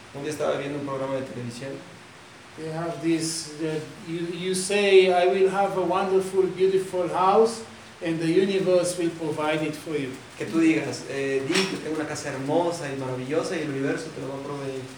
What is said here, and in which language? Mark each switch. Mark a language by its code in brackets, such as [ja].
[es] Un día estaba viendo un programa de televisión. [en] They have this, you say, I will have a wonderful, beautiful house, and the universe will provide it for you. [es] Que tú digas, di que tengo una casa hermosa y maravillosa, y el universo te lo va a proveer.